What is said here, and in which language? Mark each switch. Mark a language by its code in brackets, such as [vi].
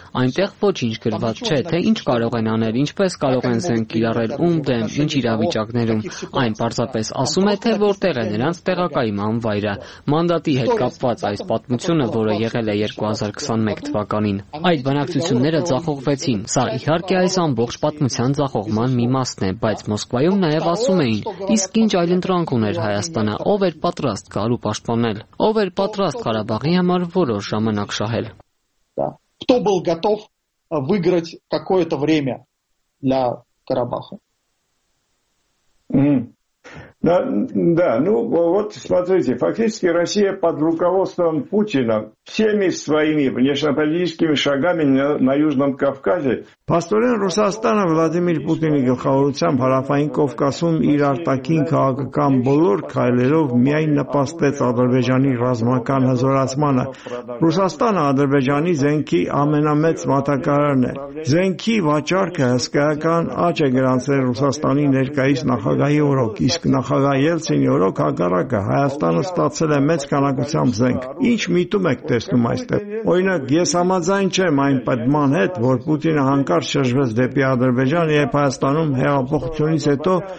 [hy] Այնտեղ ոչինչ գրված չէ, թե ինչ կարող են անել, ինչպես կարող են զենք կիրառել, ում դեմ, ինչ իրավիճակներում։ Այն պարզապես ասում է, թե որտեղ է նրանց տեղակայում անվայրը։ Մանդատի հետ կապված այս պատմությունը, որը եղել է 2021 թվականին, այդ բանակցությունները ձախողվեցին, սա իհարկե այս ամբողջ պատմության ձախողման մի մասն է, բայց Մոսկվայում նաև ասում էին, իսկ ինչ այլ ընտրանք ուներ Հայաստանը, ով էր պատրաստ գալ ու պաշտպանել, ով էր պատրաստ Ղարաբաղի համար որոշ ժամանակ շահել։ [ru] Кто был готов выиграть какое-то время для Карабаха? Да, ну вот смотрите, фактически Россия под руководством Путина всеми своими внешнеполитическими шагами на Южном Кавказе. [hy] Պաստորեն Ռուսաստանը Վլադիմիր Պուտինի գլխավորությամբ Հարավային Կովկասում իր արտաքին քաղաքական բոլոր քայլերով միայն նպաստեց Ադրբեջանի ռազմական հզորացմանը։ Ռուսաստանը Ադրբեջանի զենքի ամենամեծ մատակարարն է։ Զենքի վաճառքը հսկայական աճ է գրանցել Ռուսաստանի ներկայիս նախագահի օրոք, իսկ նախագահ Ելցինի օրոք հակառակը Հայաստանը ստացել է մեծ քանակությամբ զենք։ Ինչ միտում եք տեսնում այստեղ։ Օրինակ, ես համաձայն չեմ այն պատման հետ, որ Պուտինը հանկարծ շրջվեց դեպի Ադրբեջան, երբ Հայաստանում հեղափոխությունից հետո